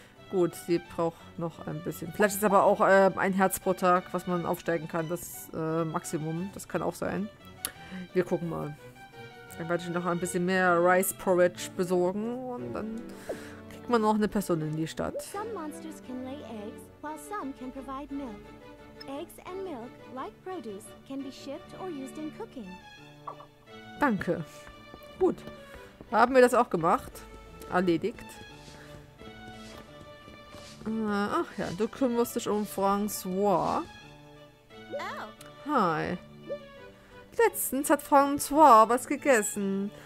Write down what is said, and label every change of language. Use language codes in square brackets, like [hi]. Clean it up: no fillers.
[de] Gut, sie braucht noch ein bisschen. Vielleicht ist aber auch ein Herz pro Tag, was man aufsteigen kann. Das Maximum, das kann auch sein. Wir gucken mal. Dann werde ich noch ein bisschen mehr Rice Porridge besorgen. Und dann kriegt man noch eine Person in die Stadt. [en] Some monsters can lay eggs, while some can provide milk. Eggs and milk, like produce, can be shipped or used in cooking. [de] Danke. Gut. Haben wir das auch gemacht. Erledigt. Ach ja, du kümmerst dich um Francois. Oh. Hi. Letztens hat Francois was gegessen.